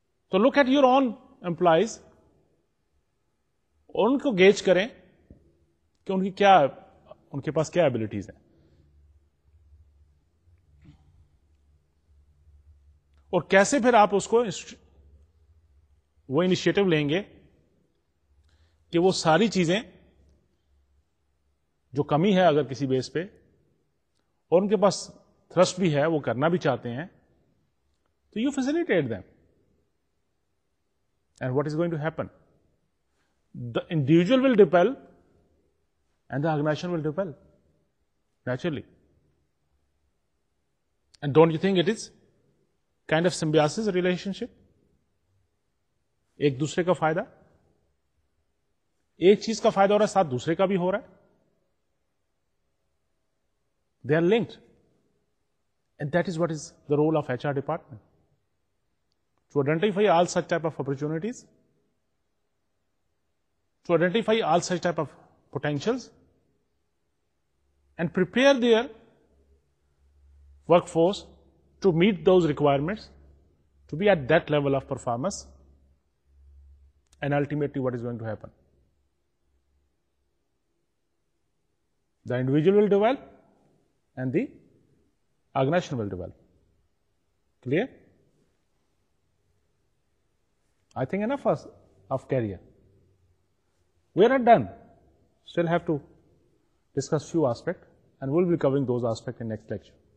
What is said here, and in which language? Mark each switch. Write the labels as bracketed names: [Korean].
[Urdu] تو look at your own employees, ان کو gauge کریں کہ ان کی کیا, ان کے پاس کیا ابلٹیز ہیں, اور کیسے پھر آپ اس کو وہ انیشیٹو لیں گے کہ وہ ساری چیزیں جو کمی ہے اگر کسی بیس پہ, اور ان کے پاس تھرسٹ بھی ہے, وہ کرنا بھی چاہتے ہیں, تو [English] You facilitate them. And what is going to happen, the individual will ڈیپل and the organization will ڈیپل naturally. And don't you think it is kind of Symbiosis relation ship, [Urdu] ایک دوسرے کا فائدہ, ایک چیز کا فائدہ ہو رہا ہے [English] ساتھ دوسرے کا بھی ہو رہا ہے, they are linked, and that is what is the role of H R department to identify all such type of opportunities, to identify all such type of potentials, and prepare their work force to meet those requirements to be at that level of performance and ultimately what is going to happen. The individual will develop and the organization will develop. Clear? I think enough of career. We are not done. Still have to discuss few aspects and we'll be covering those aspects in next lecture.